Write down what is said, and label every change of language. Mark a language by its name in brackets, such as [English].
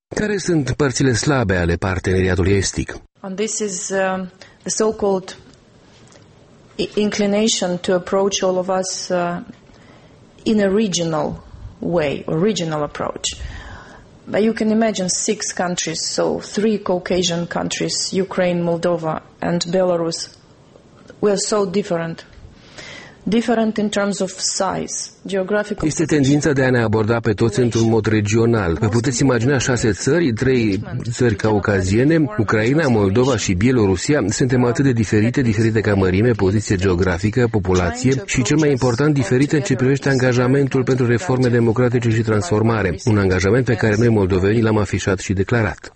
[Romanian] Care sunt părțile slabe ale parteneriatului estic? [English] And this is the so-called inclination to approach all of us in a regional way, or regional approach. But you can imagine 6 countries, so 3 Caucasian countries, Ukraine, Moldova and Belarus, were so different. Different in terms of size, geographical. [Romanian] Este tendința de a ne aborda pe toți într-un mod regional. Vă puteți imagina 6 țări, 3 țări caucaziene, Ucraina, Moldova și Bielorusia, suntem atât de diferite, diferite ca mărime, poziție geografică, populație și, cel mai important, diferite în ce privește angajamentul pentru reforme democratice și transformare, un angajament pe care noi moldovenii l-am afișat și declarat.